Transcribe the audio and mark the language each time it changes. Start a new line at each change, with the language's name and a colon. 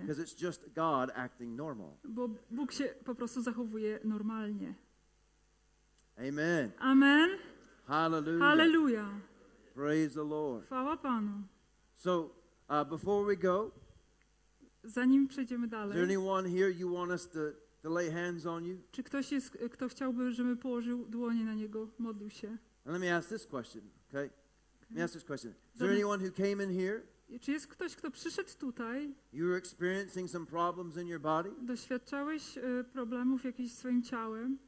English: Because it's just God acting normal.
Polish: Bo Bóg się po prostu zachowuje normalnie.
English: Amen.
Polish: Amen.
English: Hallelujah.
Polish: Hallelujah.
English: Praise the Lord.
Polish: Chwała Panu.
English: So, before we go,
Polish: zanim przejdziemy dalej.
English: Is there anyone here you want us to lay hands on you?
Polish: Czy ktoś jest, kto chciałby, żeby położył dłonie na niego, modlił się?
English: And let me ask this question, okay? Let me ask this question. Is there anyone who came in here?
Polish: Czy jest ktoś, kto przyszedł tutaj?
English: You're experiencing some problems in your body?
Polish: Doświadczałeś problemów jakichś w swoim ciałem?